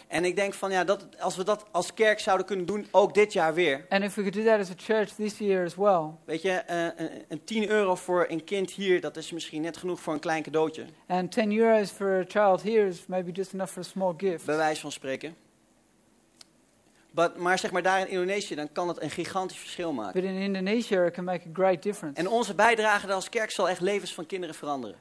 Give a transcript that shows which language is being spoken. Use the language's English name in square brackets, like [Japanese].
[Dutch] En ik denk van ja, dat als we dat als kerk zouden kunnen doen, ook dit jaar weer. [English] And if we could do that as a church this year as well. [Dutch] Weet je, een 10 euro voor een kind hier, dat is misschien net genoeg voor een klein cadeautje. [English] And 10 euros for a child here is maybe just enough for a small gift. [Dutch] Bij wijze van spreken. Maar zeg maar daar in Indonesië, dan kan het een gigantisch verschil maken. [English] But in Indonesia, it can make a great difference. [Dutch] En onze bijdrage als kerk zal echt levens van kinderen veranderen.